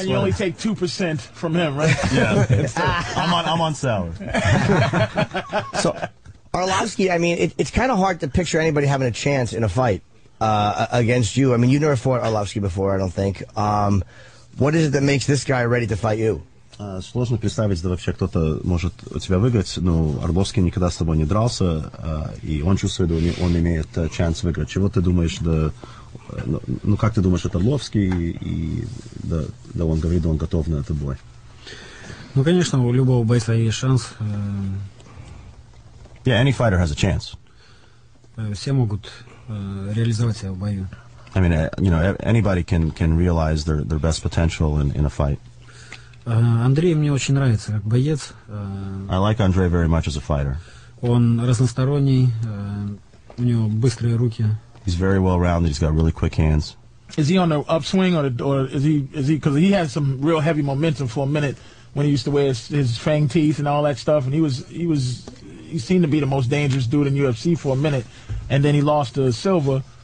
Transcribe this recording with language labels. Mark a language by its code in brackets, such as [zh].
[en] And you only take 2% from him, right? Yeah. I'm on salary. So... Arlovsky, I mean, it's kind of hard to picture anybody having a chance in a fight against you. I mean, you never fought Arlovsky before, I don't think. What is it that makes this guy ready to fight you? [ru] Сложно представить, да вообще кто-то может у тебя выиграть, но Арбовский никогда с тобой не дрался, и он чувствует, что он имеет шанс выиграть. Чего ты думаешь, да, ну как ты думаешь, это Арбовский, и да он говорит, да он готов на этот бой? Ну, конечно, у любого бойца есть шанс. [en] Yeah, any fighter has a chance. [ru] Все могут реализовать себя в бою. [en] I mean, you know, anybody can realize their best potential in a fight. [ru] Андрей мне очень нравится как боец. [en] I like Andre very much as a fighter. [ru] Он разносторонний, у него быстрые руки. [en] He's very well-rounded, he's got really quick hands. Is he on the upswing or is he, because he had some real heavy momentum for a minute when he used to wear his fang teeth and all that stuff, and he was... He seemed to be the most dangerous dude in UFC for a minute, and then he lost to Silva.